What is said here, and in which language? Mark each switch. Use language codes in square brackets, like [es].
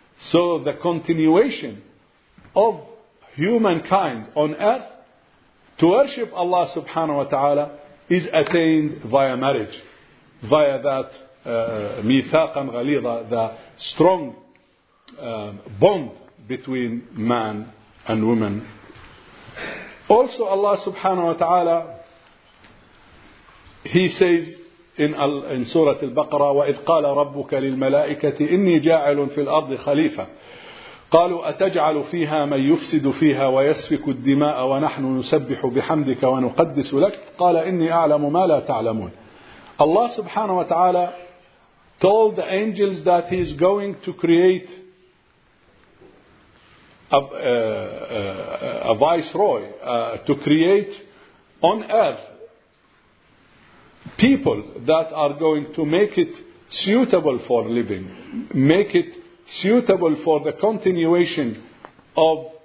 [en] So the continuation of humankind on earth to worship Allah subhanahu wa ta'ala is attained via marriage, via that mithaqan ghaliza, the strong bond between man and woman. Also Allah subhanahu wa ta'ala, He says in Surah Al-Baqarah, [ar] وَإِذْ قَالَ رَبُّكَ لِلْمَلَائِكَةِ إِنِّي جَاعِلٌ فِي الْأَرْضِ خَلِيفَةً قَالُوا أَتَجْعَلُ فِيهَا مَنْ يُفْسِدُ فِيهَا وَيَسْفِكُ الدِّمَاءَ وَنَحْنُ نُسَبِّحُ بِحَمْدِكَ وَنُقَدِّسُ لَكَ قَالَ إِنِّي أَعْلَمُ مَا لَا تَعْلَمُونَ. [en] Allah subhanahu wa ta'ala told the angels that He is going to create a viceroy to create on earth people that are going to make it suitable for living, make it suitable for the continuation of